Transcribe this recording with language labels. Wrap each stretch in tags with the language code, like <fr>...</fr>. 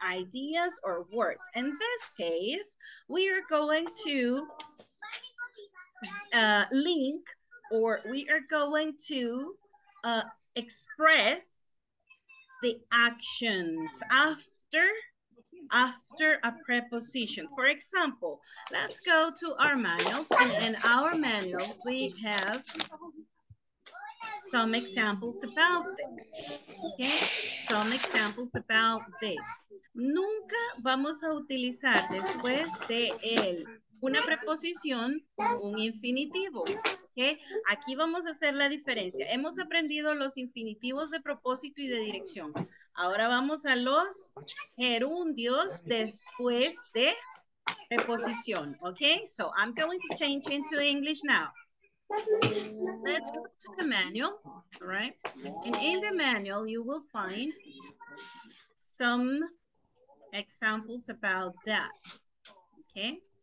<en>Ideas or words. In this case, we are going to link, or we are going to express the actions after a preposition. For example, let's go to our manuals. And in our manuals, we have some examples about this.</en> <es>Nunca vamos a utilizar después de él una preposición un infinitivo, ¿okay? Aquí vamos a hacer la diferencia. Hemos aprendido los infinitivos de propósito y de dirección. Ahora vamos a los gerundios después de preposición, ¿okay?</es> <en>So I'm going to change into English now. Let's go to the manual, all right? And in the manual, you will find some examples about that, okay?</en>